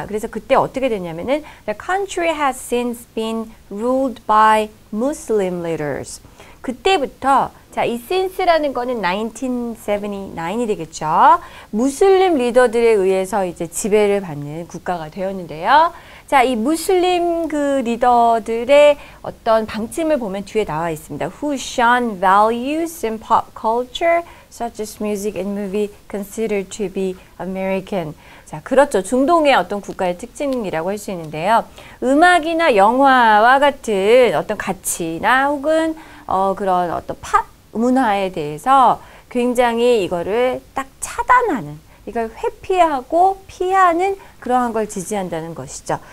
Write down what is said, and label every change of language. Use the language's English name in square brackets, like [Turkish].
[Korean] 그래서 그때 어떻게 됐냐면은 [English] The country has since been ruled by Muslim leaders. [Korean] 그때부터 자, 이 since라는 거는 1979이 되겠죠. 무슬림 리더들에 의해서 이제 지배를 받는 국가가 되었는데요. 자, 이 무슬림 그 리더들의 어떤 방침을 보면 뒤에 나와 있습니다. [English] Who shun values in pop culture such as music and movie considered to be American. [Korean] 자, 그렇죠. 중동의 어떤 국가의 특징이라고 할 수 있는데요. 음악이나 영화와 같은 어떤 가치나 혹은 그런 어떤 팝 문화에 대해서 굉장히 이거를 딱 차단하는 이걸 회피하고 피하는 그러한 걸 지지한다는 것이죠.